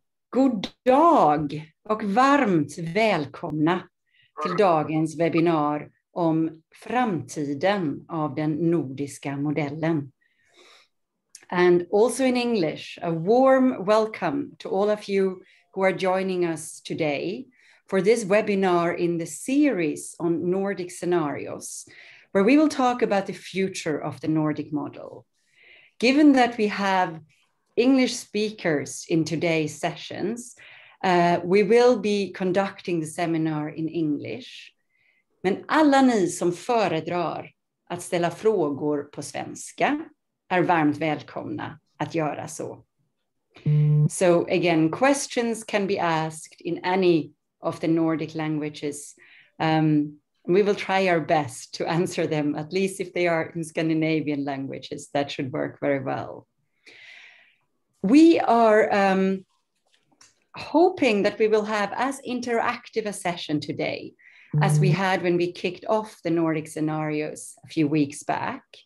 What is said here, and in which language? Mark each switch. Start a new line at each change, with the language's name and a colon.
Swedish: God dag och varmt välkomna till dagens webbinar om framtiden av den nordiska modellen.
English: And also in English, a warm welcome to all of you who are joining us today for this webinar in the series on Nordic scenarios, where we will talk about the future of the Nordic model. Given that we have English speakers in today's sessions, we will be conducting the seminar in English.
Swedish: Men alla ni som föredrar att ställa frågor på svenska är varmt välkomna att göra så.
English: So again, questions can be asked in any of the Nordic languages. We will try our best to answer them, at least if they are in Scandinavian languages, that should work very well. We are hoping that we will have as interactive a session today as we had when we kicked off the Nordic scenarios a few weeks back.